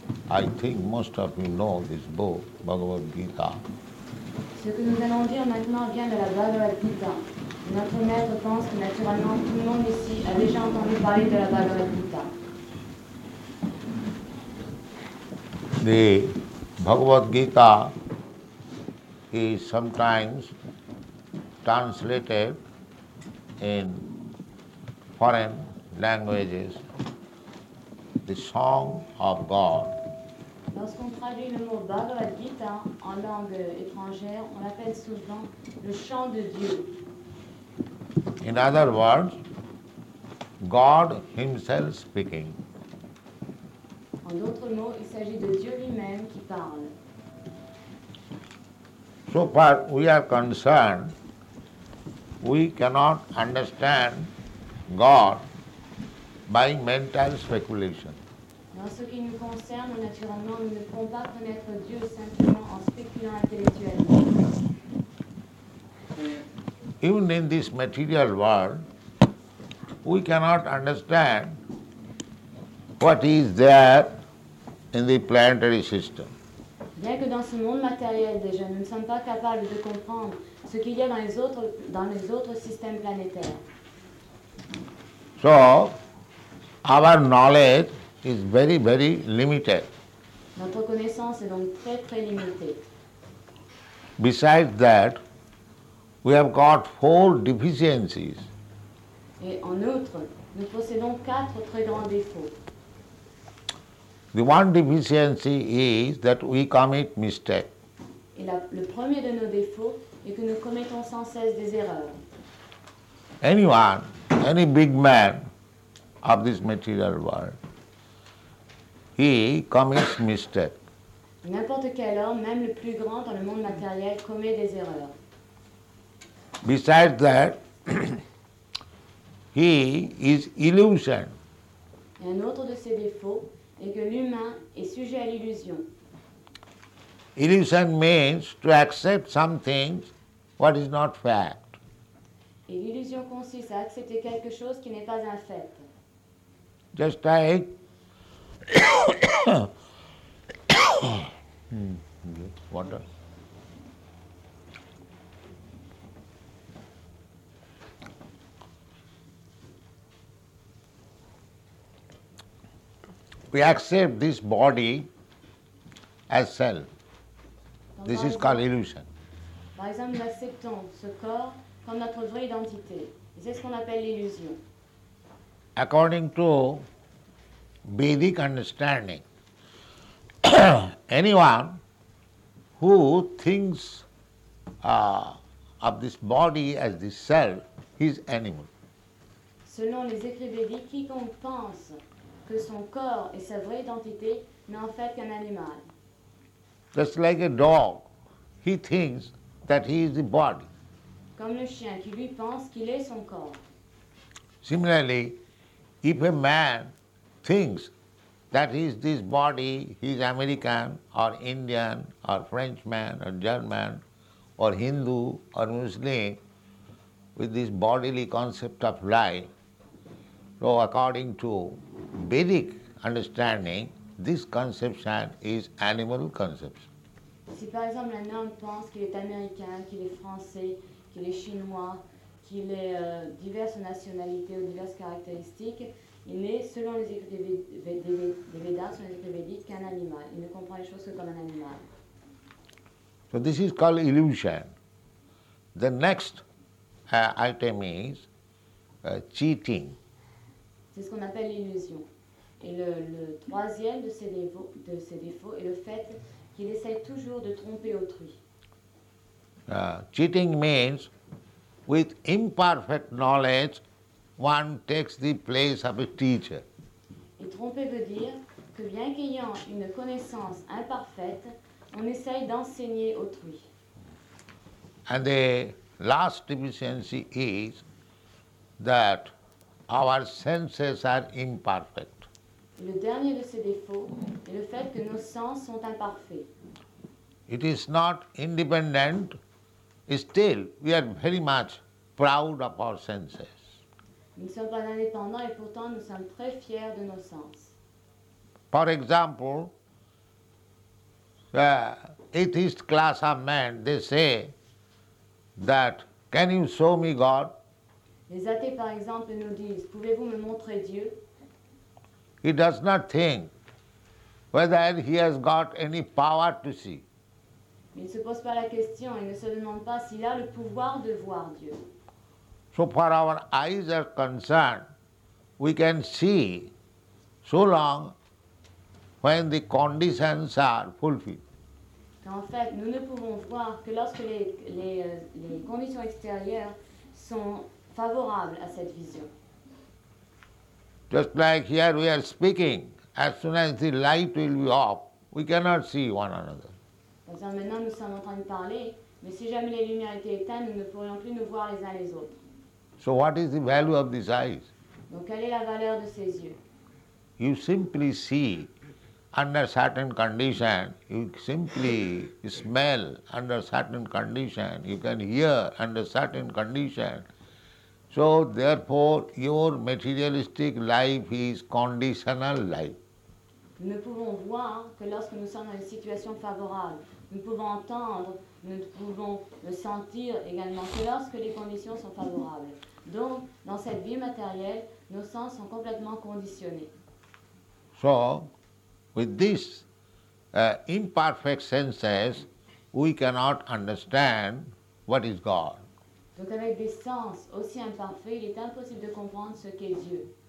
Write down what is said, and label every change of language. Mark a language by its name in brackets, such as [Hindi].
[English] I think most of you know this book, Bhagavad Gita. [French] Ce que nous allons dire maintenant vient de la Bhagavad Gita. Notre maître pense que naturellement tout le monde ici a déjà entendu parler de la Bhagavad Gita. [English] The Bhagavad Gita is sometimes translated in foreign languages, the song of God. [French] Lorsqu'on traduit le mot Bhagavad Gita en langue étrangère, on l'appelle souvent le chant de Dieu. [English] In other words, God Himself speaking. [French] En d'autres mots, il s'agit de Dieu lui-même qui parle. [English] So far we are concerned, we cannot understand God by mental speculation. [French] Dans ce qui nous concerne, naturellement, nous ne pouvons pas connaître Dieu simplement en spéculant intellectuellement. [English] even in this material world, we cannot understand what is there in the planetary system. [French] Bien que dans ce monde matériel déjà, nous ne sommes pas capables de comprendre ce qu'il y a dans les autres systèmes planétaires. [English] So, our knowledge is very, very limited. [French] Notre connaissance est donc très, très limitée. [English] Besides that, we have got four deficiencies. [French] Et en outre, nous possédons quatre très grands défauts. [English] The one deficiency is that we commit mistakes. [French] Et le premier de nos défauts est que nous commettons sans cesse des erreurs. [English] Anyone, any big man of this material world, he commits mistakes. [French] N'importe quel homme, même le plus grand dans le monde matériel, commet des erreurs. [English] Besides that, he is illusion. [French] Et un autre de ses défauts est que l'humain est sujet à l'illusion. [English] Illusion means to accept some things what is not fact. [French] Et l'illusion consiste à accepter quelque chose qui n'est pas un fait. [English] Just like water. We accept this body as self. This is called illusion. [French] Par exemple, nous acceptons ce corps comme notre vraie identité. C'est ce qu'on appelle l'illusion. [English] According to Vedic understanding, anyone who thinks of this body as the self, he is animal. [French] Selon les écrits védiques, quiconque pense que son corps est sa vraie identité n'est en fait qu'un animal. [English] Just like a dog, he thinks that he is the body. [French] Comme le chien qui lui pense qu'il est son corps. [English] Similarly, if a man thinks that he is this body, he is American or Indian or Frenchman or German or Hindu or Muslim, with this bodily concept of life, so according to Vedic understanding, this conception is animal conception. [French] Si par exemple un homme pense qu'il est américain, qu'il est français, qu'il est chinois, qu'il est diverses nationalités ou diverses caractéristiques, il n'est, selon les écrits des Védas, selon les écrits védiques, qu'un animal. Il ne comprend les choses que comme un animal. [English] So this is called illusion. The next item is cheating. [French] C'est ce qu'on appelle l'illusion. Et le troisième de ses défauts est le fait qu'il essaie toujours de tromper autrui. [English] Cheating means, with imperfect knowledge, one takes the place of a teacher. [French] Et tromper veut dire que bien qu'ayant une connaissance imparfaite, on essaye d'enseigner autrui. [English] And the last deficiency is that our senses are imperfect. [French] Le dernier de ces défauts est le fait que nos sens sont imparfaits. [English] It is not independent. Still, we are very much proud of our senses. [French] Nous ne sommes pas indépendants et pourtant nous sommes très fiers de nos sens. [English] For example, atheist class of men, they say that, can you show me God? [French] Les athées, par exemple, nous disent, pouvez-vous me montrer Dieu? [English] He does not think whether he has got any power to see. [French] Il ne se pose pas la question, il ne se demande pas s'il a le pouvoir de voir Dieu. [English] So far our eyes are concerned, we can see so long when the conditions are fulfilled. [French] En fait, nous ne pouvons voir que lorsque les conditions extérieures sont favorables à cette vision. [English] Just like here we are speaking, as soon as the light will be off, we cannot see one another. [French] Maintenant nous sommes en train de parler, mais si jamais les lumières étaient éteintes, nous ne pourrions plus nous voir les uns les autres. [English] So what is the value of these eyes? [French] Donc quelle est la valeur de ces yeux? [English] You simply see under certain condition, you simply smell under certain condition, you can hear under certain condition. So therefore, your materialistic life is conditional life. [French] Nous pouvons voir que lorsque nous sommes dans une situation favorable, nous pouvons entendre, nous pouvons le sentir également que lorsque les conditions sont favorables. Donc, dans cette vie matérielle, nos sens sont complètement conditionnés. [English] So, with this imperfect senses, we cannot understand what is God. [French] Donc avec des sens aussi imparfaits, il est impossible de comprendre ce qu'est Dieu.